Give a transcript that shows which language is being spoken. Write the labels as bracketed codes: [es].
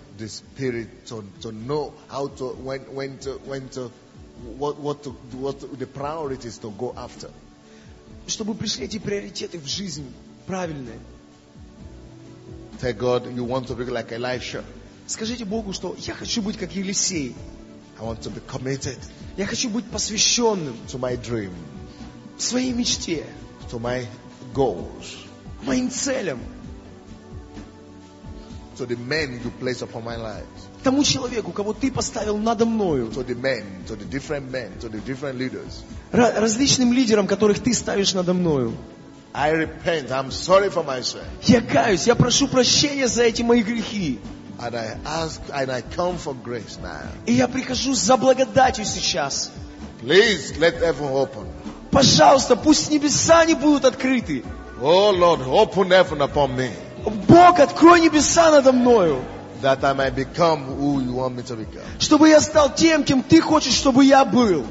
[en] The spirit to know how to when to What the priorities to go after? [ru] Чтобы пришли эти приоритеты в жизнь правильные. [en] Tell God you want to be like Elisha. [ru] Скажите Богу, что я хочу быть как Елисей. [en] I want to be committed. [ru] Я хочу быть посвященным. [en] To my dream. [ru] Своей мечте. [en] To my goals. [ru] Моим целям. [en] To the men you place upon my life. [ru] Тому человеку, кого ты поставил надо мною. [en] To the men, to the different men, to the different leaders. [ru] Различным лидерам, которых ты ставишь надо мною. [en] I repent, I'm sorry for myself. [ru] Я каюсь, я прошу прощения за эти мои грехи. [en] And I ask, and I come for grace now. [ru] И я прихожу за благодатью сейчас. [en] Please let heaven open. [ru] Пожалуйста, пусть небеса не будут открыты. [en] Oh Lord, open heaven upon me. [ru] Бог, открой небеса надо мною. [en] That I might become who you want me to become. [ru] Чтобы я стал тем, кем ты хочешь, чтобы я был.